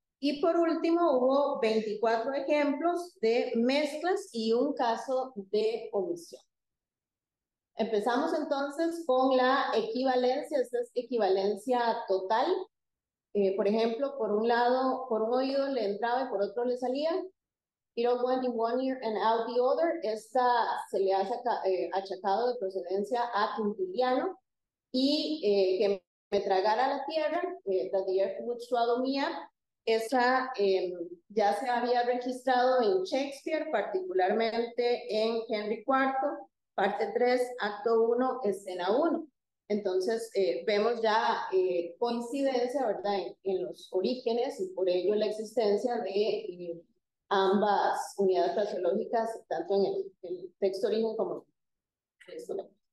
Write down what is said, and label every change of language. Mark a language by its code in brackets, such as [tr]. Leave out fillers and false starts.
[es] Y por último, hubo 24 ejemplos de mezclas y un caso de omisión. Empezamos entonces con la equivalencia. Esta es equivalencia total. Por ejemplo, por un lado, por un oído le entraba y por otro le salía. [en] It all went in one ear and out the other. [es] Esta se le ha achacado de procedencia a Quintiliano. Y que me tragara la tierra, [en] that the earth would swallow me up. [es] Esta ya se había registrado en Shakespeare, particularmente en Henry IV, parte 3, acto 1, escena 1. Entonces vemos ya coincidencia, ¿verdad?, en los orígenes y por ello la existencia de ambas unidades fraseológicas, tanto en el texto origen como en el texto.